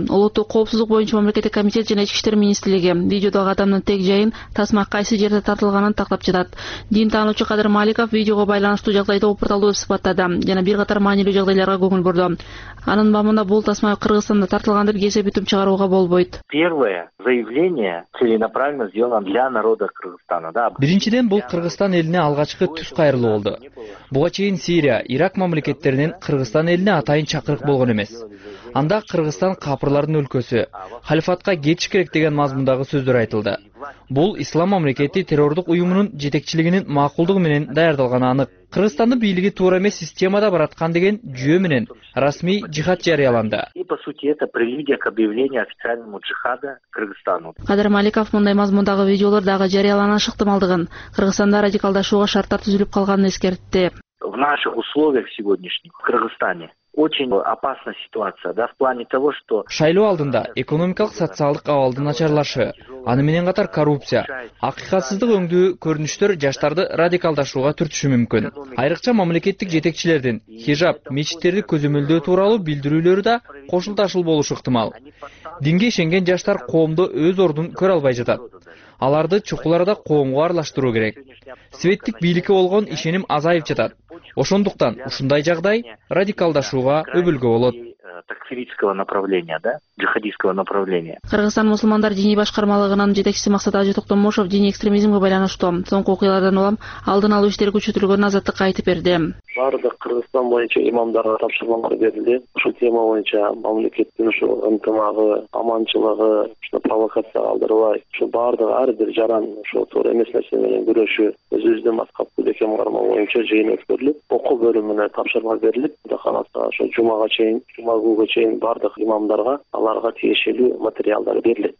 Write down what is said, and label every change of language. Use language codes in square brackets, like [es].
[ky] Улуттук коопсуздук боюнча мамлекеттик комитет жана Ички иштер министрлиги видеодогу адамдын тек жайын тасма кайсы жерде тартылганын тактап жатат. Дин таануучу Кадыр Маликов видеого байланыштуу жагдайды опурталуу сыпаттады жана бир катар маанилүү жагдайларга көңүл бурду. Анын мамында бул тасма Кыргызстанда тартылган деп кесе бүтүм чыгарууга болбойт. [ru] Первое заявление целенаправленно сделано для народа Кыргызстана. [ky] Биринчиден бул Кыргызстан элине алгачкы түз кайрылуу болду. Буга чейин Сирия, Ирак мамлекеттеринен Кыргызстан элине атайын чакырык болгон эмес. Анда Кыргызстан капырлардын өлкөсү, халифатка кетиш керек деген мазмундагы сөздөр айтылды. Бул Ислам мамлекети террордук уюмунун жетекчилигинин макулдугу менен даярдалганы анык. Кыргызстандын бийлиги туура эмес системада бараткан деген жүйө менен расмий жихад жарыяланды. [ru] И по сути это прелюдия к объявлению официального джихада Кыргызстану. [ky] Кадыр Маликов мындай мазмундагы видеолор дагы жарыялана шыктымалдыгын, Кыргызстанда радикалдашууга шарттар түзүлүп калганын эскертти. [ru] В наших условиях сегодняшних в Кыргызстане очень опасна ситуация, да, в плане того, что [ky] шайлоо алдында экономикалык социалдык абалдын начарлашы, аны менен катар коррупция, акыйкатсыздык өңдүү көрүнүштөр жаштарды радикалдашууга түртүшү мүмкүн. Айрыкча мамлекеттик жетекчилердин хижаб, мечиттерди көзөмөлдөө тууралуу билдирүүлөрү да кошулташыл болушу ыктымал. Динге ишенген жаштар коомдо өз ордун көрө албай жатат. Аларды чукул арада коомго аралаштыруу керек. Светтик бийликке болгон ишеним азайып жатат. Ошондуктан ушундай жагдай радикалдашууга өбөлгө болот. [ru] Такфиристского направления, да? Джихадистского направления. [ky] Кыргызстан мусулмандар диний башкармалыгынын жетекчиси Максат Ажы Токтомошов диний экстремизмге байланыштуу соңку окуялардан улам алдын алуу иштери күчөтүлгөнүн Азаттыкка айтып берди. Бардык Кыргызстан боюнча имамдарга тапшырмалар берилди. Ушул тема боюнча мамлекеттин ушу ынтымагы, аманчылыгы, ушу провокацияга алдырбай, ушу бардыгы ар бир жаран ошол туура эмес нерсе менен күрөшү өзүбүздөн баскап кул экен кармоо боюнча жыйын өткөрүлүп, окуу бөлүмүнө тапшырма берилип, Кудай кааласа ошо жумага чейин, жума күнгө чейин бардык имамдарга аларга тиешелүү материалдар берилет.